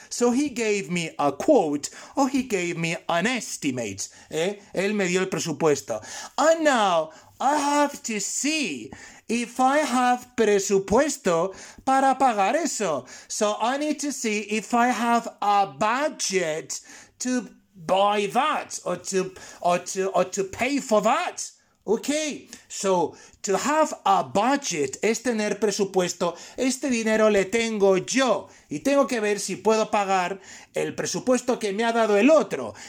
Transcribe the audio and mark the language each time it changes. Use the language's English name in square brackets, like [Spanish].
[English] So he gave me a quote, or he gave me an estimate. [Spanish] Él me dio el presupuesto. [English] And now, I have to see if I have [Spanish] presupuesto para pagar eso. [English] So I need to see if I have a budget to buy that or to pay for that. Okay, so to have a budget [Spanish] es tener presupuesto. Este dinero le tengo yo y tengo que ver si puedo pagar el presupuesto que me ha dado el otro.